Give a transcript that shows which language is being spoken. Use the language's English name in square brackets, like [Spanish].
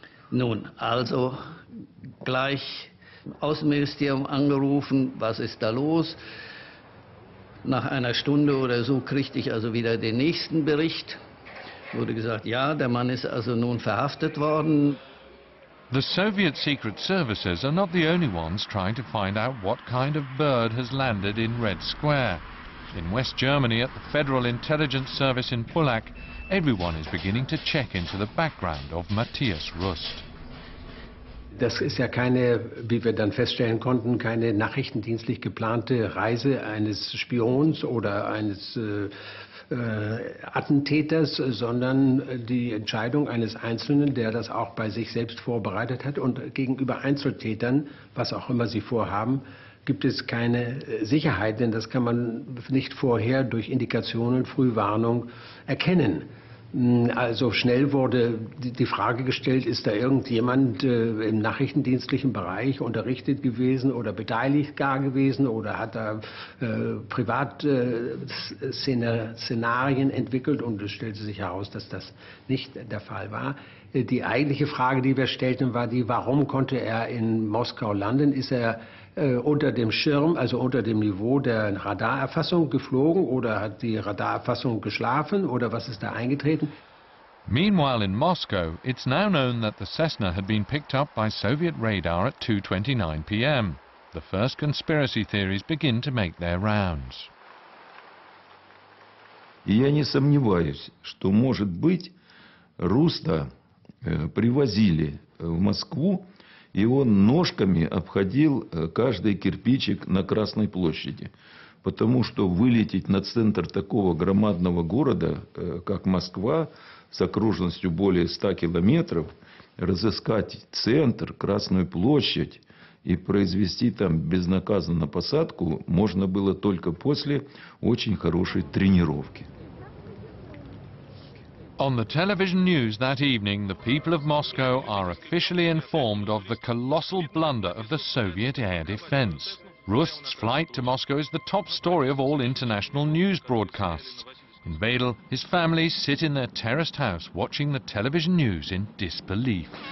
[German] Nun, also gleich im Außenministerium angerufen, was ist da los? Nach einer Stunde oder so kriegte ich also wieder den nächsten Bericht. Wurde gesagt, ja, der Mann ist also nun verhaftet worden. [English] The Soviet secret services are not the only ones trying to find out what kind of bird has landed in Red Square. In West Germany at the Federal Intelligence Service in Pulak, everyone is beginning to check into the background of Matthias Rust. [German] Das ist ja keine, wie wir dann feststellen konnten, keine nachrichtendienstlich geplante Reise eines Spions oder eines Attentäters, sondern die Entscheidung eines Einzelnen, der das auch bei sich selbst vorbereitet hat. Und gegenüber Einzeltätern, was auch immer sie vorhaben, gibt es keine Sicherheit, denn das kann man nicht vorher durch Indikationen, Frühwarnung erkennen. Also schnell wurde die Frage gestellt, ist da irgendjemand im nachrichtendienstlichen Bereich unterrichtet gewesen oder beteiligt gar gewesen oder hat da Privatszenarien entwickelt und es stellte sich heraus, dass das nicht der Fall war. Die eigentliche Frage, die wir stellten, war die, warum konnte er in Moskau landen? Ist er unter dem Schirm, also unter dem Niveau der Radarerfassung geflogen oder hat die Radarerfassung geschlafen oder was ist da eingetreten? [English] Meanwhile in Moscow, it's now known that the Cessna had been picked up by Soviet radar at 2:29 p.m. The first conspiracy theories begin to make their rounds. [Russian] Я не сомневаюсь, что может быть Руста привозили в Москву. И он ножками обходил каждый кирпичик на Красной площади. потому что вылететь на центр такого громадного города, как Москва, с окружностью более 100 километров, разыскать центр, Красную площадь и произвести там безнаказанно посадку можно было только после очень хорошей тренировки. [English] On the television news that evening, the people of Moscow are officially informed of the colossal blunder of the Soviet air defense. Rust's flight to Moscow is the top story of all international news broadcasts. In Vedel, his family sit in their terraced house watching the television news in disbelief.